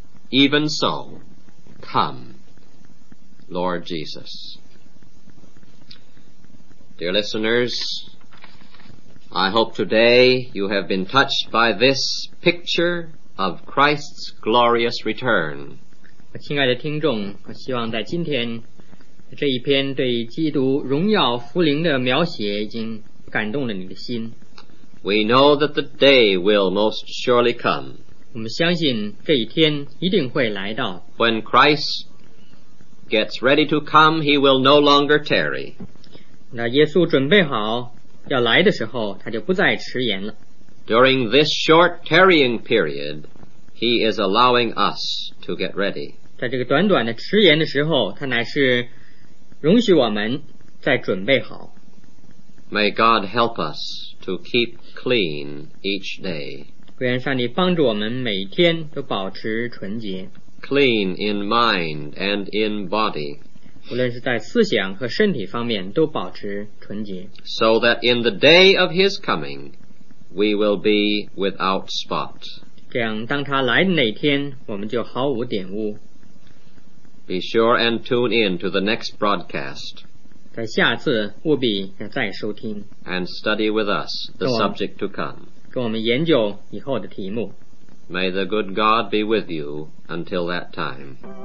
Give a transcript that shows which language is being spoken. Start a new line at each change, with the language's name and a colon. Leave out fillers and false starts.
English: Even so, come, Lord Jesus. Dear listeners, I hope today you have been touched by this picture of Christ's glorious return.
Chinese: 亲爱的听众，我希望在今天这一篇对基督荣耀复临的描写已经感动了你的心。
English: We know that the day will most surely come.
Chinese: 我们相信这一天一定会来到。
English: When Christ gets ready to come, he will no longer tarry.
Chinese: 那耶稣准备好要来的时候，他就不再迟延了。
English: During this short tarrying period, he is allowing us to get ready.
Chinese: 在这个短短的迟延的时候，他乃是容许我们再准备好。
English: May God help us to keep clean each day.
Chinese: 愿上帝帮助我们每天都保持纯洁。
English: Clean in mind and in body.
Chinese: 无论是在思想和身体方面都保持纯洁。
English: So that in the day of his coming, we will be without spot.
Chinese: 这样当他来的那天，我们就毫无玷污。
English: Be sure and tune in to the next broadcast.
Chinese: 在下次务必要再收听。
English: And study with us the subject to come.
Chinese: 跟我们研究以后的题目。
English: May the good God be with you until that time.